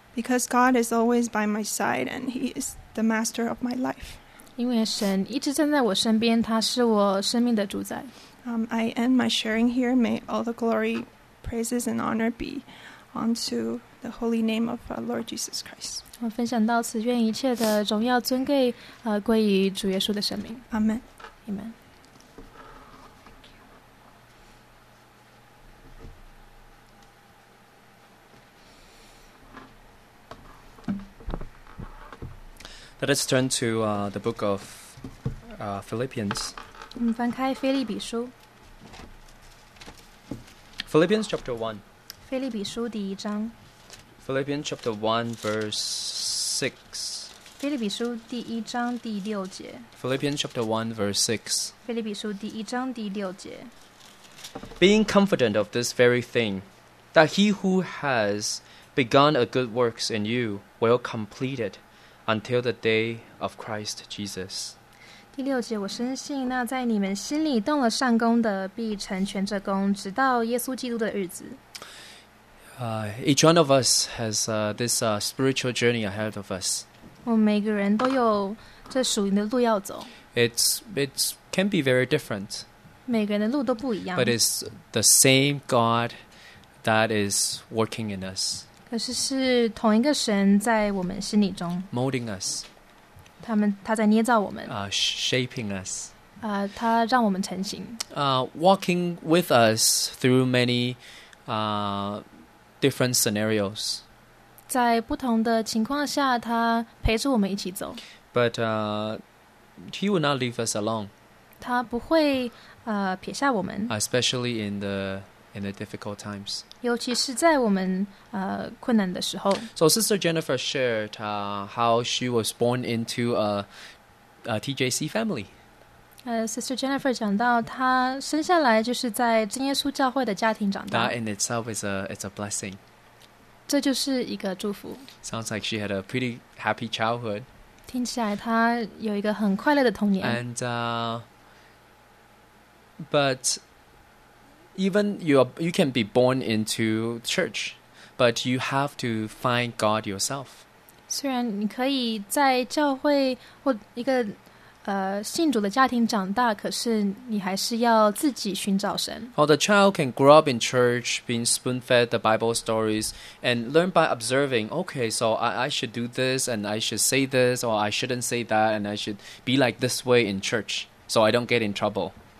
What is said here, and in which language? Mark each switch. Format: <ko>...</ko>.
<en>Because God is always by my side and He is the master of my life.</en> <zh>因为神一直站在我身边，他是我生命的主宰。</zh> <en>I end my sharing here. May all the glory, praises, and honor be unto the holy name of our Lord Jesus Christ.</en> <zh>我分享到此，愿一切的荣耀尊贵，归于主耶稣的生命。</zh> <en>Amen. Amen. Let us turn to the book of Philippians.</en> <zh>我们翻开腓立比书。</zh> <en>Philippians chapter 1.</en> <zh>腓立比书第一章。</zh> <en>Philippians chapter 1 verse 6.</en> <zh>腓立比书第一章第六节。</zh> <en>Philippians chapter 1 verse 6.</en> <zh>腓立比书第一章第六节。</zh> <en>Being confident of this very thing, that he who has begun a good works in you will complete it until the day of Christ Jesus.</en> <zh>第六节，我深信那在你们心里动了善工的，必成全这工，直到耶稣基督的日子。</zh> <en>Each one of us has this spiritual journey ahead of us.</en> <zh>我们每个人都有这属灵的路要走。</zh> <en>It can be very different.</en> <zh>每个人的路都不一样。</zh> <en>But it's the same God that is working in us.</en> <zh>可是是同一个神在我们心里中。</zh> <en>Molding us.</en> <zh>他在捏造我们。</zh> <en>Shaping us.</en> <zh>他让我们成型。</zh> <en>Walking with us through many different scenarios.</en> <zh>在不同的情况下，他陪着我们一起走。</zh> <en>But he will not leave us alone.</en> <zh>他不会撇下我们。</zh> <en>Especially in the difficult times.</en> <zh>尤其是在我们困难的时候。</zh> <en>So Sister Jennifer shared how she was born into a TJC family.</en> <zh>Sister Jennifer 讲到她生下来就是在真耶稣教会的家庭长大。</zh> <en>That in itself is it's a blessing.</en> <zh>这就是一个祝福。</zh> <en>Sounds like she had a pretty happy childhood.</en> <zh>听起来她有一个很快乐的童年。</zh> <en>And, but... Even you can be born into church, but you have to find God yourself.</en> <zh>虽然你可以在教会或一个信主的家庭长大，可是你还是要自己寻找神。</zh> <en>Well, the child can grow up in church, being spoon-fed the Bible stories, and learn by observing. Okay, so I should do this, and I should say this, or I shouldn't say that, and I should be like this way in church, so I don't get in trouble.</en>